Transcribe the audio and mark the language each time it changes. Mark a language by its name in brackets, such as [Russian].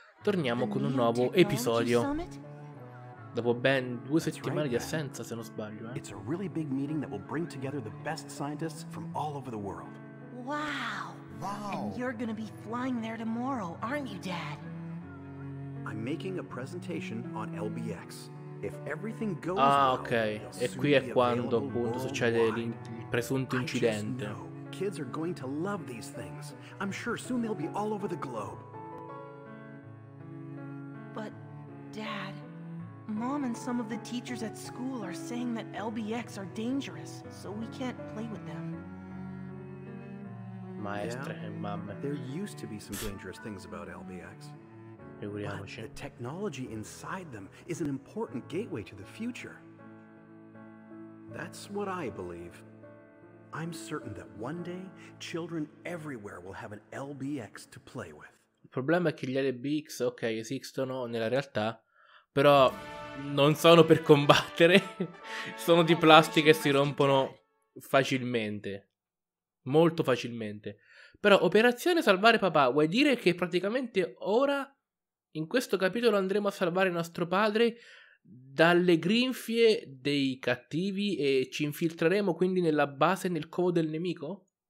[Italian] Torniamo con un nuovo episodio. Dopo ben due settimane di assenza, se non sbaglio, eh. [English] It's a really big meeting that will bring together the best scientists from all over the world. Wow! Wow! And you're gonna be flying there tomorrow, aren't you, Dad? I'm making a presentation on LBX. If everything goes well, ah, ok. [Italian] E qui è quando appunto succede il presunto incidente. [English] Kids are going to love these things. I'm sure soon they'll be all over the globe. But, Dad, Mom and some of the teachers at school are saying that LBX are dangerous, so we can't play with them. [Italian] Maestra e mamma. [English] There used to be some dangerous things about LBX. But the technology inside them is an important gateway to the future. That's what I believe. I'm certain that one day children everywhere will have an LBX to play with. [Italian] Il problema è che gli LBX, ok, esistono nella realtà, però non sono per combattere. Sono di plastica e si rompono facilmente. Molto facilmente. Però operazione salvare papà vuol dire che praticamente ora in questo capitolo andremo a salvare nostro padre dalle grinfie dei cattivi e ci infiltreremo quindi nella base, nel covo del nemico?